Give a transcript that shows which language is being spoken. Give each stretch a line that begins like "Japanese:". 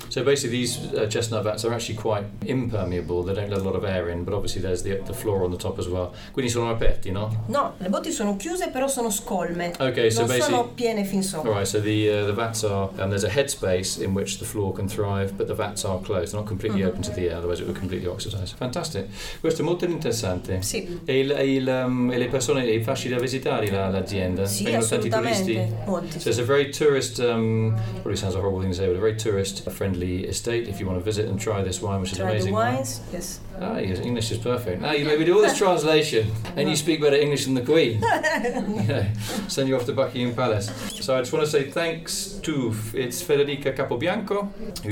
English: So basically these chestnut vats are actually quite impermeable, they don't let a lot of air in, but obviously there's the floor on the top as well.
Italian: Quindi sono aperti, no? No, le botti sono chiuse però sono scolme.
English: Okay,
Italian: non
English: so
Italian: sono piene fin sopra.
English: Alright, so the vats are, there's a headspace in which the floor can thrive, but the vats are closed, they're not completely open to the air. Otherwise it would completely oxidize. Fantastic.
Italian: Questo è molto interessante. Sì. E le persone, è facile da visitare l'azienda? Sì, vengono assolutamente. Tanti turisti? Molti.
English: So it's a very tourist, probably sounds a horrible thing to say, but a very tourist friendly estate if you want to visit and try this wine, which is try amazing. Try the wines, right? Yes. Ah, yes, English is perfect. Now you maybe do all this translation and you speak better English than the Queen. Send you off to Buckingham Palace. So I just want to say thanks to, it's Federica Capobianco, who